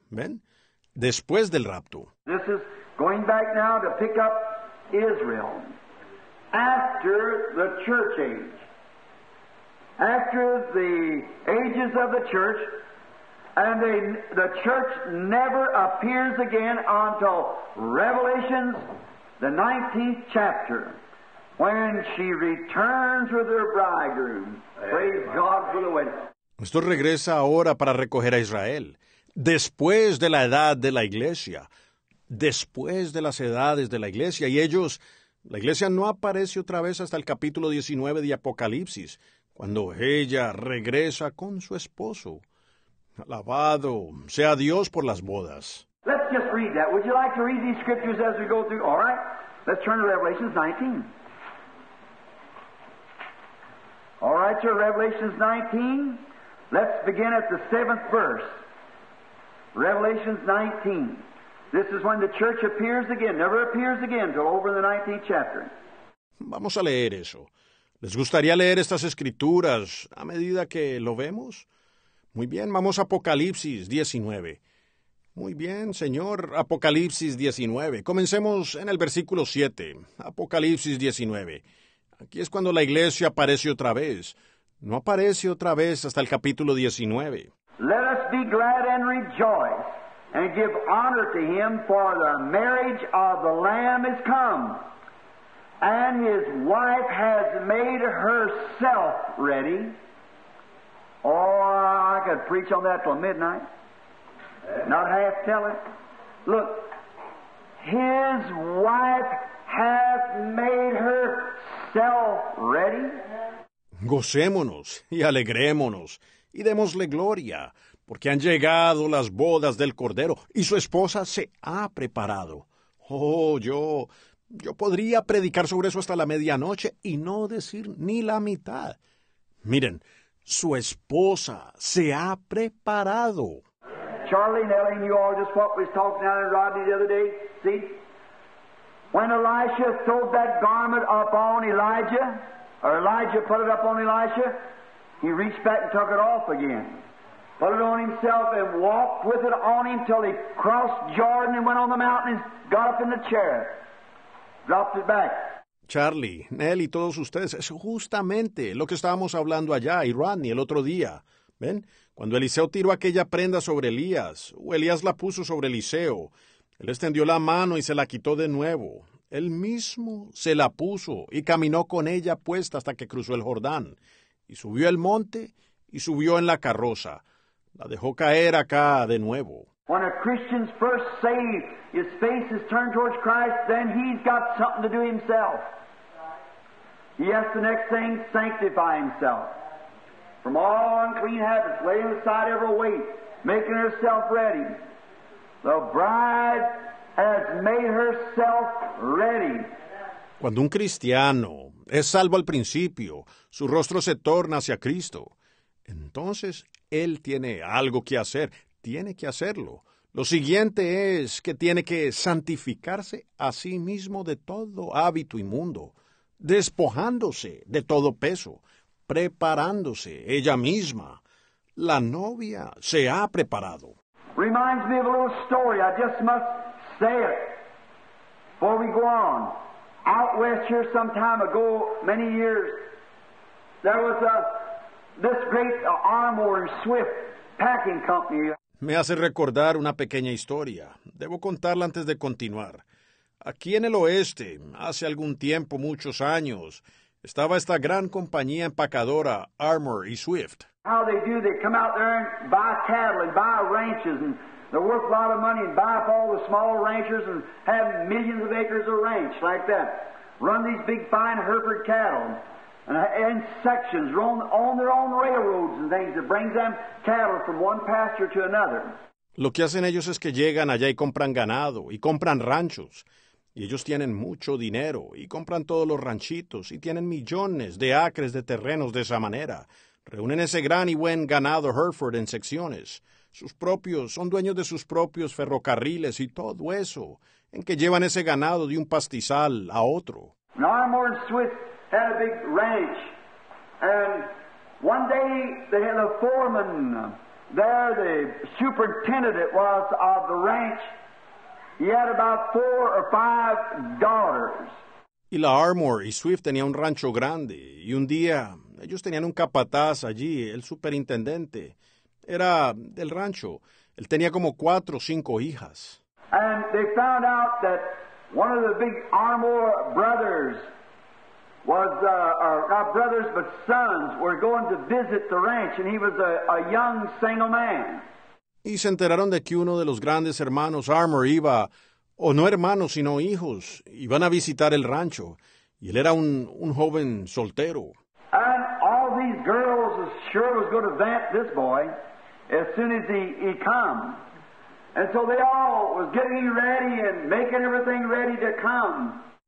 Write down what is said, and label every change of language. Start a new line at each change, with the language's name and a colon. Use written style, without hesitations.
Spanish: ¿Ven? Después del rapto.
English: This is going back now to pick up Israel. After the church age. After the ages of the church, and the church never appears again until Revelation, the 19th chapter, when she returns with her bridegroom. Praise God for the wedding.
Spanish: Esto regresa ahora para recoger a Israel, después de la edad de la iglesia, después de las edades de la iglesia, y ellos, la iglesia no aparece otra vez hasta el capítulo 19 de Apocalipsis, cuando ella regresa con su esposo. Alabado sea Dios por las bodas.
English: Let's just read that. Would you like to read these scriptures as we go through? All right. Let's turn to Revelation 19. All right, sir, Revelation 19. Let's begin at the 7th verse. Revelation 19. This is when the church appears again, never appears again, till over the 19th chapter.
Spanish: Vamos a leer eso. ¿Les gustaría leer estas escrituras a medida que lo vemos? Muy bien, vamos a Apocalipsis 19. Muy bien, Señor, Apocalipsis 19. Comencemos en el versículo 7, Apocalipsis 19. Aquí es cuando la iglesia aparece otra vez. No aparece otra vez hasta el capítulo 19.
English: Let us be glad and rejoice and give honor to him, for the marriage of the Lamb is come, and his wife has made herself ready. Oh, I could preach on that till midnight. Not half tell it. Look, his wife hath made herself ready.
Spanish: Gocémonos y alegrémonos y démosle gloria, porque han llegado las bodas del Cordero y su esposa se ha preparado. Oh, yo podría predicar sobre eso hasta la medianoche y no decir ni la mitad. Miren, su esposa se ha preparado.
English: Charlie, Nellie, and you all just what we was talking about in Rodney the other day, see? When Elisha throwed that garment up on Elijah, or Elijah put it up on Elisha, he reached back and took it off again. Put it on himself and walked with it on him till he crossed Jordan and went on the mountain and got up in the chair. Dropped it back.
Spanish: Charlie, Nellie, y todos ustedes, es justamente lo que estábamos hablando allá y Rodney el otro día. ¿Ven? Cuando Eliseo tiró aquella prenda sobre Elías, o Elías la puso sobre Eliseo, él extendió la mano y se la quitó de nuevo. Él mismo se la puso y caminó con ella puesta hasta que cruzó el Jordán, y subió el monte y subió en la carroza. La dejó caer acá de nuevo.
English: When a Christian's first saved, his face is turned towards Christ, then he's got something to do himself. He has the next thing, sanctify himself. From all unclean habits, laying aside every weight, making herself ready. The bride has made herself ready.
Spanish: Cuando un cristiano es salvo al principio, su rostro se torna hacia Cristo. Entonces, él tiene algo que hacer. Tiene que hacerlo. Lo siguiente es que tiene que santificarse a sí mismo de todo hábito inmundo, despojándose de todo peso, preparándose ella misma. La novia se ha preparado.
English: Reminds me of a little story. I just must say it before we go on. Out west here some time ago, many years, there was this great Armour and Swift packing company.
Spanish: Me hace recordar una pequeña historia. Debo contarla antes de continuar. Aquí en el oeste, hace algún tiempo, muchos años, estaba esta gran compañía empacadora, Armour y Swift.
English: How they do, they come out there and buy cattle and buy ranches and they're worth a lot of money and buy up all the small ranchers and have millions of acres of ranch like that. Run these big fine Hereford cattle and sections, run on their own railroads and things that brings them cattle from one pasture to another.
Spanish: Lo que hacen ellos es que llegan allá y compran ganado y compran ranchos. Y ellos tienen mucho dinero y compran todos los ranchitos y tienen millones de acres de terrenos de esa manera. Reúnen ese gran y buen ganado Hereford en secciones. Sus propios, son dueños de sus propios ferrocarriles y todo eso, en que llevan ese ganado de un pastizal a otro.
English: Armour and Swift had a big ranch. And one day they had a foreman there, the superintendent it was of the ranch. He had about four or five daughters.
Spanish: Y la Armour y Swift tenía un rancho grande. Y un día, ellos tenían un capataz allí, el superintendente. Era del rancho. Él tenía como cuatro o cinco hijas.
English: And they found out that one of the big Armour brothers was, not brothers, but sons, were going to visit the ranch. And he was a young single man.
Spanish: Y se enteraron de que uno de los grandes hermanos Armour iba, o no hermanos, sino hijos, iban a visitar el rancho. Y él era un joven soltero.
English: And all these girls sure was going to vamp this boy as soon as he come. And so they all was getting ready and making everything ready to come.